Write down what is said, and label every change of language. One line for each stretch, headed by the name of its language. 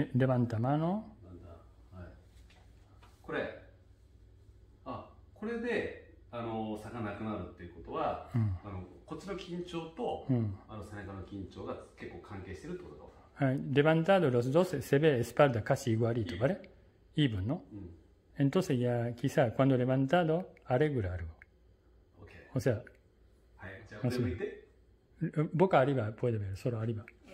Japanese: え、デバンタマの。これ、これで、差がなくなるっていうことは、こっちの緊張と、背中の緊張が結構関係してるってことだ。
Spanish: Levantado los dos, se ve espalda casi igualito,
Japanese: イーブン。
Spanish: ¿vale? Even, ¿no? Entonces ya quizá cuando levantado, arregla algo. O sea,
Japanese: はい、じゃあ腕向いて。僕は
Spanish: アリバ、puede ver, solo アリバ。